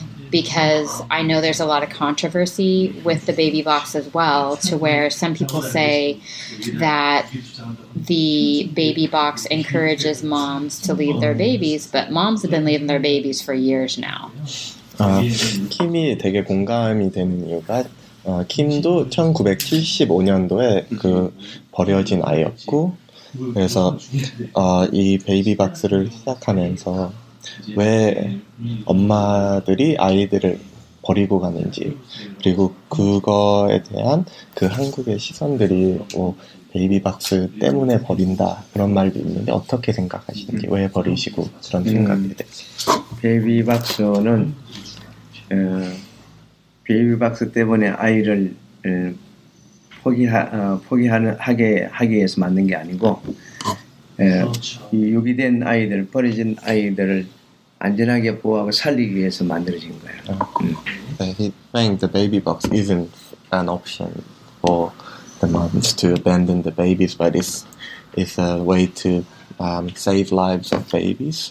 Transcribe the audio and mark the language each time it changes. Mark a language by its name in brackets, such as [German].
[English] Because I know there's a lot of controversy with the baby box as well, to where some people say that the baby box encourages moms to leave their babies, but moms have been leaving their babies for years now. [Korean] 킴이 되게 공감이 되는 이유가 킴도 1975년도에 그 버려진 아이였고 그래서 이 베이비 박스를 시작하면서 왜 엄마들이 아이들을 버리고 가는지 그리고 그거에 대한 그 한국의 시선들이 뭐 베이비 박스 때문에 버린다 그런 말도 있는데 어떻게 생각하시는지 왜 버리시고 그런 생각이 됐어요. 베이비 박스는 베이비 박스 때문에 아이를 포기하게 해서 만든 게 아니고 유기된 아이들, 버려진 아이들을 안전하게 보호하고 살리기 위해서 만들어진 거예요. [English] He thinks the baby box isn't an option for the moms to abandon the babies, but it's a way to save lives of babies.